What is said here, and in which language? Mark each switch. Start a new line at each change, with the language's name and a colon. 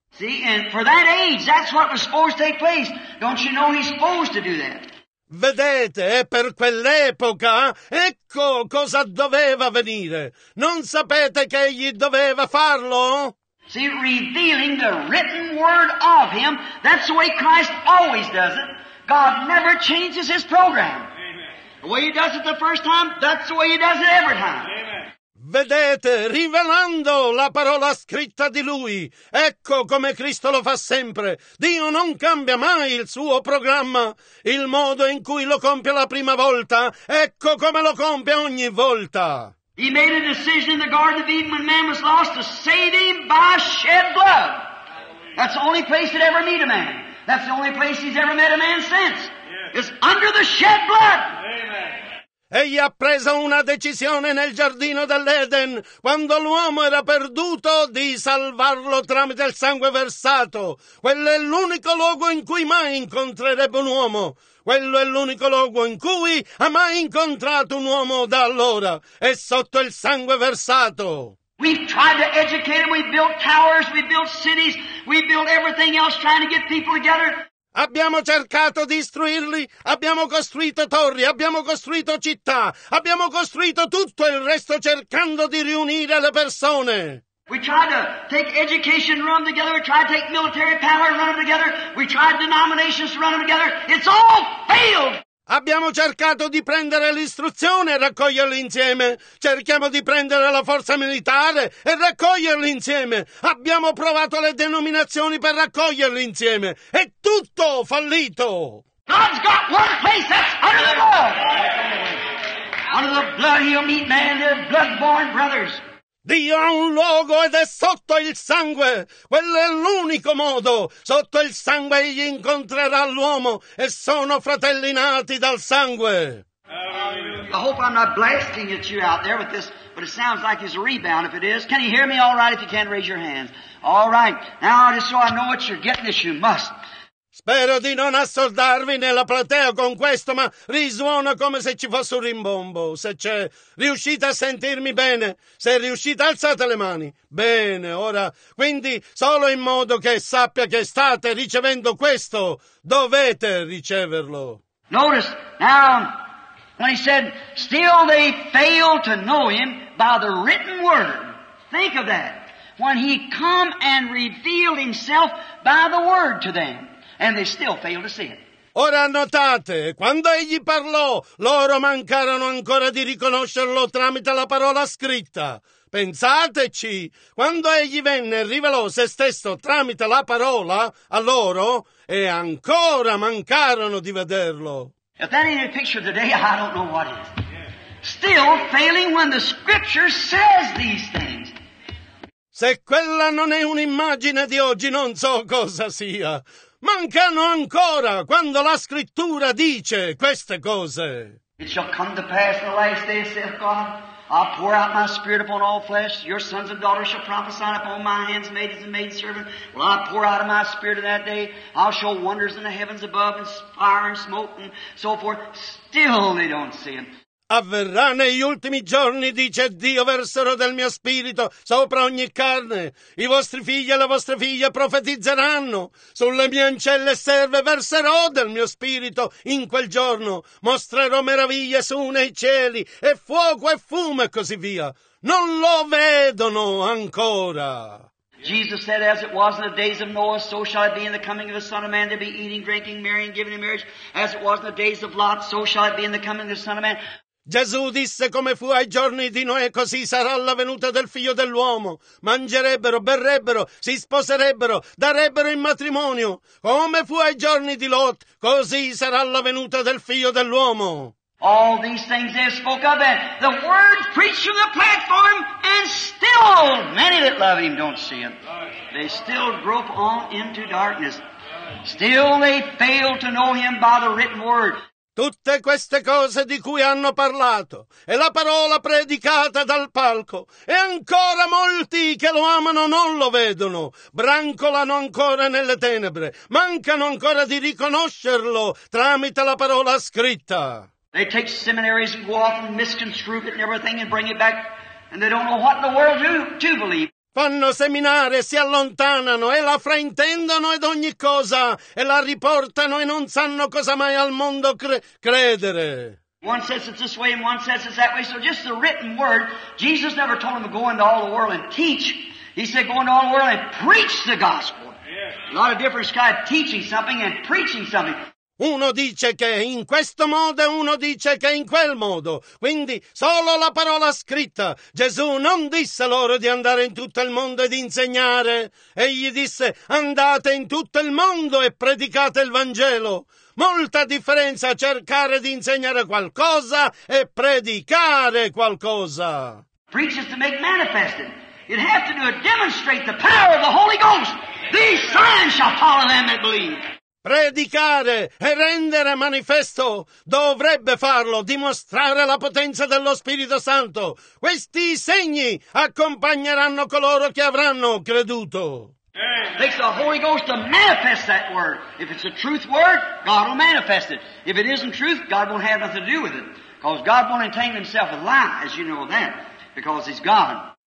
English: See, and for that age, that's what was supposed to take place. Don't you know he's supposed to do that?
Italian: Vedete, e per quell'epoca, ecco cosa doveva venire. Non sapete che egli doveva farlo?
English: See, revealing the written word of him, that's the way Christ always does it. God never changes his program. Amen. The way he does it the first time, that's the way he does it every time. Amen.
Italian: Vedete, rivelando la parola scritta di lui, ecco come Cristo lo fa sempre. Dio non cambia mai il suo programma. Il modo in cui lo compie la prima volta, ecco come lo compie ogni volta.
English: He made a decision in the Garden of Eden when man was lost to save him by shed blood. That's the only place he'd ever meet a man. That's the only place he's ever met a man since. It's under the shed blood. Amen.
Italian: Egli ha preso una decisione nel giardino dell'Eden, quando l'uomo era perduto, di salvarlo tramite il sangue versato. Quello è l'unico luogo in cui mai incontrerebbe un uomo. Quello è l'unico luogo in cui ha mai incontrato un uomo da allora. È sotto il sangue versato.
English: We've tried to educate them, we've built towers, we've built cities, we've built everything else trying to get people together.
Italian: Abbiamo cercato di istruirli, abbiamo costruito torri, abbiamo costruito città, abbiamo costruito tutto il resto cercando di riunire le persone.
English: We tried to take education and run together, we tried to take military power and run together, we tried denominations to run together, it's all failed!
Italian: Abbiamo cercato di prendere l'istruzione e raccoglierli insieme. Cerchiamo di prendere la forza militare e raccoglierli insieme. Abbiamo provato le denominazioni per raccoglierli insieme. È tutto fallito.
English: God's got one place that's under the blood. Under the blood he'll meet man, they're blood-born brothers.
Italian: Dio ha un luogo ed è sotto il sangue. Quello è l'unico modo. Sotto il sangue egli incontrerà l'uomo e sono fratelli nati dal sangue.
English: I hope I'm not blasting at you out there with this, but it sounds like it's a rebound if it is. Can you hear me all right if you can't raise your hands? All right. Now just so I know what you're getting this, you must.
Italian: Spero di non assordarvi nella platea con questo, ma risuona come se ci fosse un rimbombo. Se c'è, riuscite a sentirmi bene? Se riuscite, alzate le mani. Bene, ora, quindi, solo in modo che sappia che state ricevendo questo, dovete riceverlo.
English: Notice, now, when he said, still they fail to know him by the written word. Think of that. When he come and revealed himself by the word to them. And they still fail to see it.
Italian: Ora notate, quando egli parlò, loro mancarono ancora di riconoscerlo tramite la parola scritta. Pensateci, quando egli venne e rivelò se stesso tramite la parola a loro, e ancora mancarono di vederlo.
English: If that ain't a picture today, I don't know what is. Still failing when the scripture says these things.
Italian: Se quella non è un'immagine di oggi, non so cosa sia. Mancano ancora quando la scrittura dice queste cose.
English: It shall come to pass in the last day, saith God, I'll pour out my spirit upon all flesh. Your sons and daughters shall prophesy upon my handmaids and maidservants. Well, I'll pour out of my spirit of that day. I'll show wonders in the heavens above and fire and smoke and so forth. Still they don't see him.
Italian: Avverrà negli ultimi giorni, dice Dio, verserò del mio spirito sopra ogni carne. I vostri figli e le vostre figlie profetizzeranno. Sulle mie ancelle serve verserò del mio spirito in quel giorno. Mostrerò meraviglie su nei cieli e fuoco e fumo e così via. Non lo vedono ancora.
English: Jesus said, as it was in the days of Noah, so shall it be in the coming of the Son of Man. They'll be eating, drinking, marrying, giving in marriage. As it was in the days of Lot, so shall it be in the coming of the Son of Man.
Italian: Gesù disse come fu ai giorni di Noè, così sarà la venuta del figlio dell'uomo. Mangerebbero, berrebbero, si sposerebbero, darebbero in matrimonio. Come fu ai giorni di Lot, così sarà la venuta del figlio dell'uomo.
English: All these things they spoke of, and the word preached from the platform, and still many that love him don't see him. They still grope on into darkness. Still they fail to know him by the written word.
Italian: Tutte queste cose di cui hanno parlato e la parola predicata dal palco e ancora molti che lo amano non lo vedono, brancolano ancora nelle tenebre, mancano ancora di riconoscerlo tramite la parola scritta.
English: They take seminaries and go off and misconstrue it and everything and bring it back and they don't know what in the world to believe.
Italian: Fanno seminare, si allontanano e la fraintendono ed ogni cosa e la riportano e non sanno cosa mai al mondo credere.
English: One says it's this way and one says it's that way. So just the written word, Jesus never told them to go into all the world and teach. He said go into all the world and preach the gospel. A lot of difference between teaching something and preaching something.
Italian: Uno dice che in questo modo e uno dice che in quel modo. Quindi solo la parola scritta. Gesù non disse loro di andare in tutto il mondo e di insegnare. Egli disse: andate in tutto il mondo e predicate il Vangelo. Molta differenza cercare di insegnare qualcosa e predicare qualcosa.
English: Preach is to make manifest it. It has to do a demonstrate the power of the Holy Ghost. These signs shall follow them that believe.
Italian: Predicare e rendere manifesto dovrebbe farlo, dimostrare la potenza dello Spirito Santo. Questi segni accompagneranno coloro che avranno creduto.
English: Takes the Holy Ghost to manifest that word. If it's a truth word, God will manifest it. If it isn't truth, God won't have nothing to do with it. Because God won't entangle himself with lies, as you know that, because he's God.